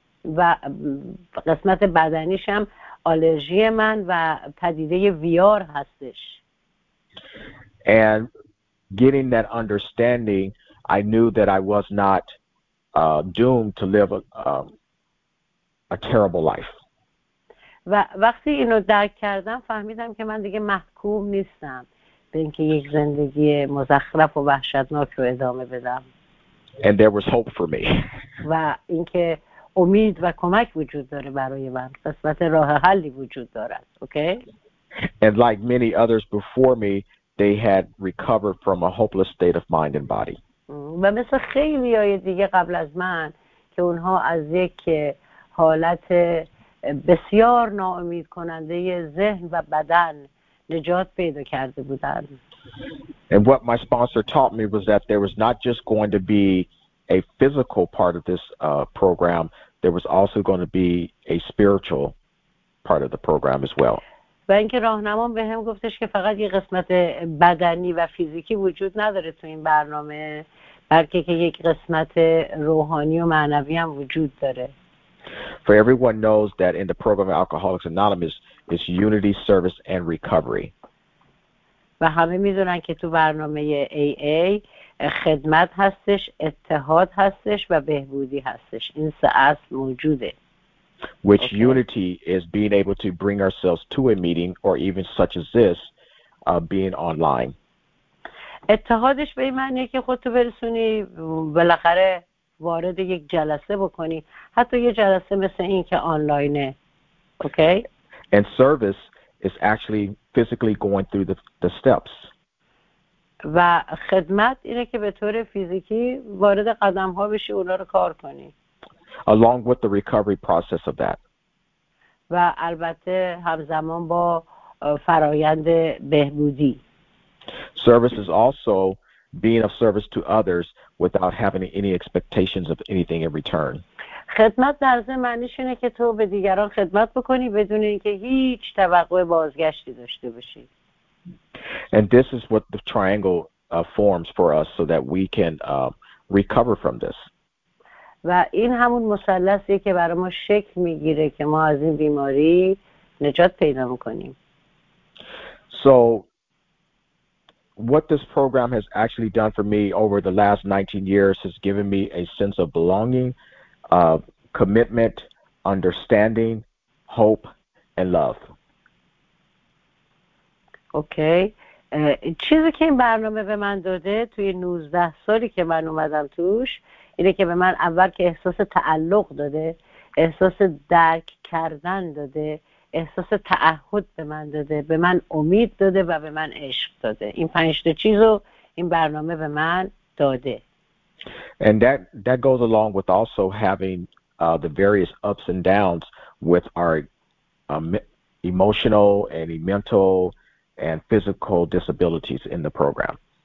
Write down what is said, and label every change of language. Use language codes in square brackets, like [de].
[fa] و قسمت بدنیش هم آلرژی من و پدیده ویار هستش. [en] And getting that understanding, I knew that I was not doomed to live a terrible life. [fa] و وقتی اینو درک کردم فهمیدم که من دیگه محکوم نیستم به اینکه یک زندگی مزخرف و وحشتناک رو ادامه بدم. [en] And there was hope for me. [fa] و اینکه امید و کمک وجود داره برای من، قسمت راه حلی وجود دارد. اوکی؟ [en] And like many others before me, they had recovered from a hopeless state of mind and body. [fa] و مثل خیلی های دیگه قبل از من که اونها از یک حالت بسیار ناامید کننده ذهن و بدن نجات پیدا کرده بودن. [en] And what my sponsor taught me was that there was not just going to be a physical part of this program, there was also going to be a spiritual part of the program as well. [fa] و اینکه راهنمام به هم گفتش که فقط یه قسمت بدنی و فیزیکی وجود نداره تو این برنامه، بلکه که یک قسمت روحانی و معنوی هم وجود داره. [en] For everyone knows that in the program of Alcoholics Anonymous, it's unity, service, and recovery. [fa] و همه میدونن که تو برنامه AA خدمت هستش، اتحاد هستش و بهبودی هستش. این سه اصل موجوده. [en] Which okay. Unity is being able to bring ourselves to a meeting or even such as this, being online. [fa] اتحادش به این معنیه که خودتو برسونی بالاخره وارد یک جلسه بکنی، حتی یه جلسه مثل این که آنلاینه. اوکی؟ [en] And service is actually physically going through the steps. [fa] و خدمت اینه که به طور فیزیکی وارد قدم‌ها بشی، اونا رو کار کنی. [en] Along with the recovery process of that. [fa] و البته همزمان با فرایند بهبودی. [en] Service is also being of service to others without having any expectations of anything in return. [fa] خدمت در ذهن معنیش اینه که تو به دیگران خدمت بکنی بدون اینکه هیچ توقع بازگشتی داشته باشی. [en] And this is what the triangle forms for us so that we can recover from this. [fa] و این همون مثلثیه که برای ما شکل میگیره که ما از این بیماری نجات پیدا بکنیم. [en] So what this program has actually done for me over the last 19 years has given me a sense of belonging, commitment, understanding, hope, and love. Okay. [fa] چیزی که این برنامه به من داده توی 19 سالی که من اومدم توش اینه که به من اول که احساس تعلق داده، احساس درک کردن داده، احساس تعهد به من داده، به من امید داده و به من عشق داده. این 5 تا چیز رو این برنامه به من داده. [en] And that goes along with also having the various ups and downs with our emotional and mental and physical disabilities in the program.